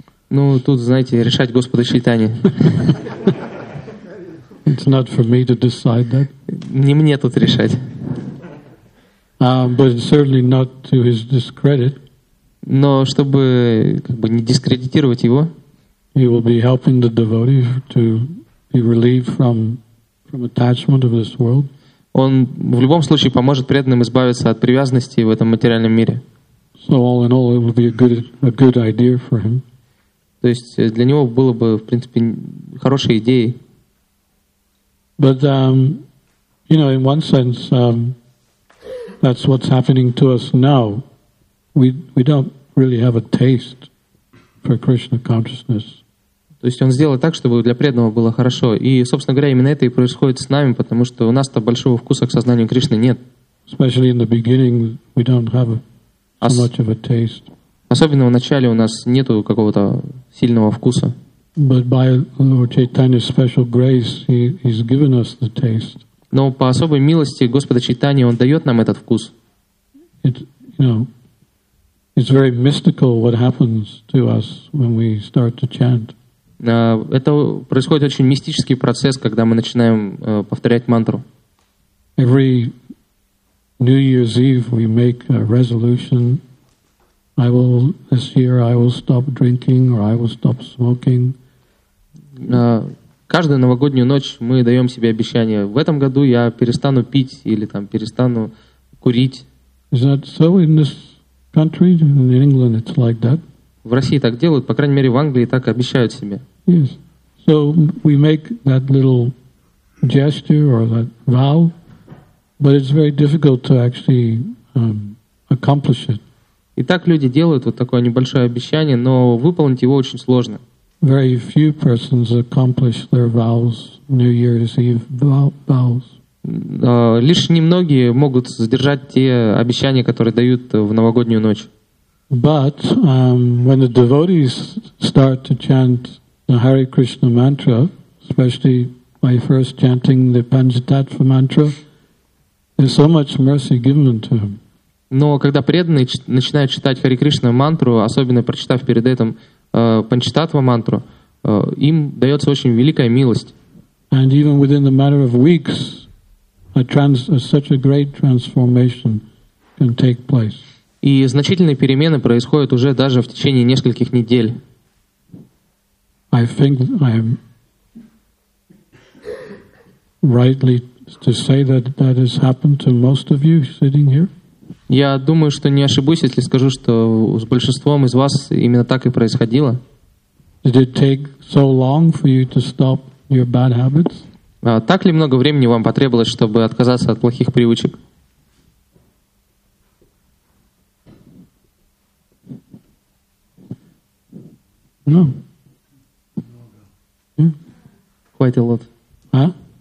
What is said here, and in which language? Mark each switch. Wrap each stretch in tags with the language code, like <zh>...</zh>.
<ru>Ну, тут, знаете, решать Господа Чайтани.</ru> <en>It's not for me to decide that.</en> <ru>Не мне тут решать.</ru> <en>But certainly not to his discredit.</en> <ru>Но чтобы как бы не дискредитировать его.</ru> <en>He will be helping the devotee to be relieved from attachment of this world.</en> <ru>Он в любом случае поможет преданным избавиться от привязанности в этом материальном мире.</ru> <en>So all in all, it would be a good idea for him.</en> <ru>То есть для него было бы, в принципе, хорошей идеей.</ru> <en>But you know, in one sense, that's what's happening to us now. We don't really have a taste for Krishna consciousness.</en> <ru>То есть он сделал так, чтобы для преданного было хорошо. И, собственно говоря, именно это и происходит с нами, потому что у нас-то большого вкуса к сознанию Кришны нет.</ru> <en>Especially in the beginning, we don't have so much of a taste.</en> <ru>Особенно в начале у нас нету какого-то сильного вкуса.</ru> <en>But by Lord Chaitanya's special grace, he's given us the taste.</en> <ru>Но по особой милости Господа Чайтани он дает нам этот вкус.</ru> <en>It's very mystical what happens to us when we start to chant.</en> <ru>Это происходит очень мистический процесс, когда мы начинаем повторять мантру.</ru> <en>Every New Year's Eve we make a resolution. This year I will stop drinking or I will stop smoking.</en> <ru>Каждую новогоднюю ночь мы даем себе обещание. В этом году я перестану пить или там перестану курить.</ru> <en>Is that so in this country? In England it's like that.</en> <ru>В России так делают, по крайней мере, в Англии так обещают себе.</ru> <en>Yes. So we make that little gesture or that vow, but it's very difficult to actually accomplish it.</en> <ru>И так люди делают вот такое небольшое обещание, но выполнить его очень сложно.</ru> <en>Very few persons accomplish their vows, New Year's Eve vows.</en> <ru>Лишь немногие могут сдержать те обещания, которые дают в новогоднюю ночь.</ru> <en>But when the devotees start to chant the Hare Krishna mantra, especially by first chanting the Panchatattva mantra, there's so much mercy given to them.</en> <ru>Но когда преданные начинают читать Hare Krishna мантру, особенно прочитав перед этим Панчататва мантру, им дается очень великая милость.</ru> <en>And even within the matter of weeks, such a great transformation can take place.</en> <ru>И значительные перемены происходят уже даже в течение нескольких недель.</ru> <en>I think I am rightly to say that that has happened to most of you sitting here.</en> <ru>Я думаю, что не ошибусь, если скажу, что с большинством из вас именно так и происходило.</ru> <en>Did it take so long for you to stop your bad habits?</en> <ru>Так ли много времени вам потребовалось, чтобы отказаться от плохих привычек?</ru> <en>No. Yeah. Quite a lot. Huh?</en>